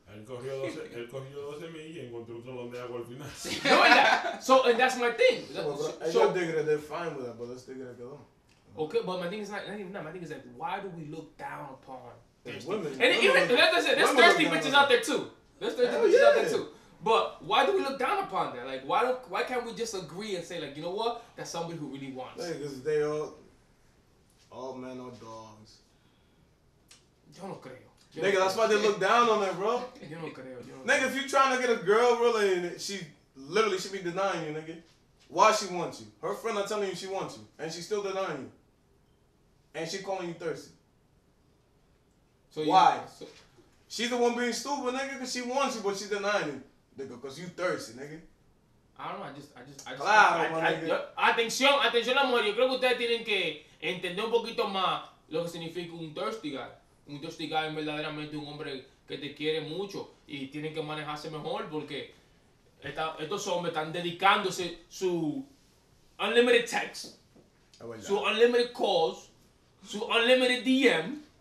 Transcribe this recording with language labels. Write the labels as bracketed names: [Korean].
[Spanish] Él cogió 12 millas y encontró un salón de agua al final. Sí, no, ¿verdad? [English] So, and that's my thing. So, they're fine with that, but let's take it like okay, but my thing is not even that. My thing is that, why do we look down upon women? And even, there's thirsty bitches out there too. There's thirsty bitches out there too. But why do we look down upon that? Like, why can't we just agree and say, like, you know what? That's somebody who really wants. Hey, because they all men are dogs. [Spanish] Yo no creo. [English] Nigga, that's why they look down on that, bro. [Spanish] Yo no creo. [English] Nigga, if you're trying to get a girl, really, and she be denying you, nigga. Why she wants you? Her friend not telling you she wants you, and she's still denying you. And she calling you thirsty. So why? She's the one being stupid, nigga, because she wants you, but she's denying you. Nigga, because you thirsty, nigga. I don't know, I just... [Spanish] Claro, atención, la mujer. Yo creo que ustedes tienen que entender un poquito más lo que significa un thirsty guy. Un thirsty guy es verdaderamente un hombre que te quiere mucho y tienen que manejarse mejor porque estos hombres están dedicándose su unlimited text, su unlimited calls, su unlimited DM.